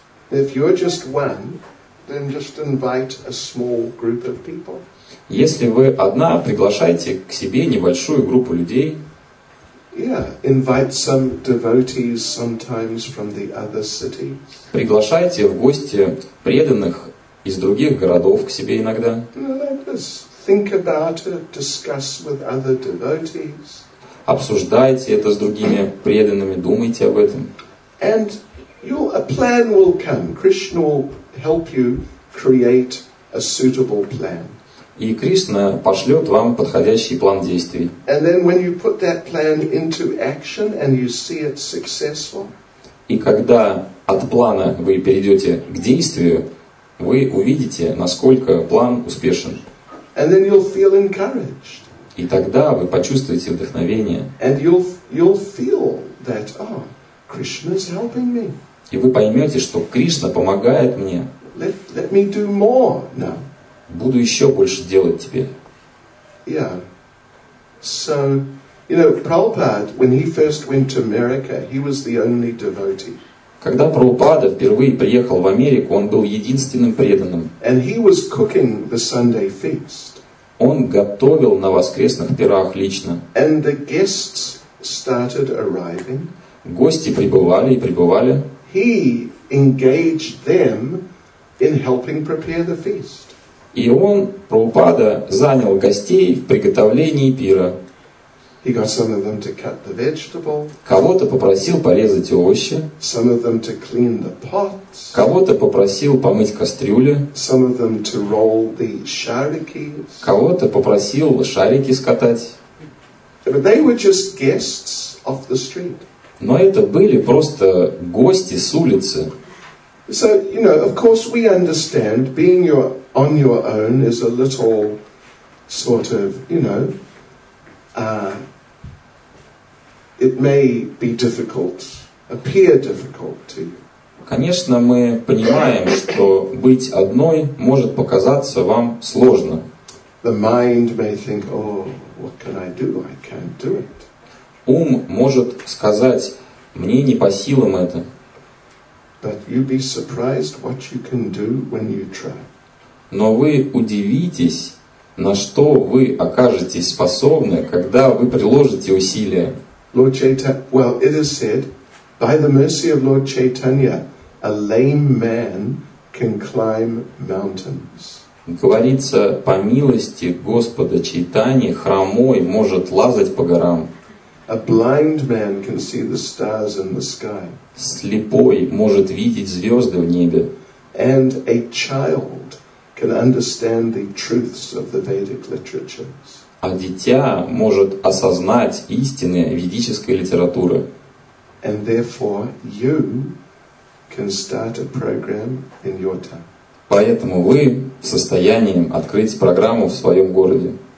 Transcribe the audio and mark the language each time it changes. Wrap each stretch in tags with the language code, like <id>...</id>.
<en>If you're just one, then just invite a small group of people.</en> <ru>Если вы одна, приглашайте к себе небольшую группу людей.</ru> <en>Yeah, invite some devotees sometimes from the other cities.</en> <ru>Приглашайте в гости преданных из других городов к себе иногда.</ru> <en>Think about it, discuss with other devotees.</en> <ru>Обсуждайте это с другими преданными, думайте об этом.</ru> <en>And a plan will come. Krishna will help you create a suitable plan.</en> <ru>И Кришна пошлет вам подходящий план действий.</ru> <en>And then when you put that plan into action and you see it successful.</en> <ru>И когда от плана вы перейдете к действию, вы увидите, насколько план успешен.</ru> <en>And then you'll feel encouraged.</en> <ru>И тогда вы почувствуете вдохновение.</ru> <en>And you'll feel that, oh, Krishna's helping me.</en> <ru>И вы поймете, что Кришна помогает мне.</ru> <en>Let me do more now.</en> <ru>Буду еще больше делать теперь.</ru> <en>Yeah. So, you know, Prabhupada, when he first went to America, he was the only devotee.</en> <ru>Когда Прабхупада впервые приехал в Америку, он был единственным преданным.</ru> <en>And he was cooking the Sunday feast.</en> <ru>Он готовил на воскресных пирах лично.</ru> <en>And the guests started arriving.</en> <ru>Гости прибывали и прибывали.</ru> <en>He engaged them in helping prepare the feast.</en> <ru>И он, Прабхупада, занял гостей в приготовлении пира.</ru> <en>He got some of them to cut the vegetable.</en> <ru>Кого-то попросил порезать овощи.</ru> <en>Some of them to clean the pots.</en> <ru>Кого-то попросил помыть кастрюли.</ru> <en>Some of them to roll the shariks.</en> <ru>Кого-то попросил шарики скатать.</ru> <en>But they were just guests off the street.</en> <ru>Но это были просто гости с улицы.</ru> <en>So, you know, of course we understand being on your own is a little sort of, you know, it may be difficult, appear difficult to you.</en> <ru>Конечно, мы понимаем, что быть одной может показаться вам сложно.</ru> <en>The mind may think, oh, what can I do? I can't do it.</en> <ru>Ум может сказать, мне не по силам это.</ru> <en>But you'd be surprised what you can do when you try.</en> <ru>Но вы удивитесь, на что вы окажетесь способны, когда вы приложите усилия.</ru> <en>Lord Chaitanya, well, it is said, by the mercy of Lord Chaitanya, a lame man can climb mountains.</en> <ru>Говорится, по милости Господа Чайтани, хромой может лазать по горам.</ru> <en>A blind man can see the stars in the sky.</en> <ru>Слепой может видеть звезды в небе.</ru> <en>And a child can understand the truths of the Vedic literatures.</en> <ru>А дитя может осознать истины ведической литературы.</ru> <en>And therefore you can start a program in your town.</en> <ru>Поэтому вы в состоянии открыть программу в своем городе.</ru>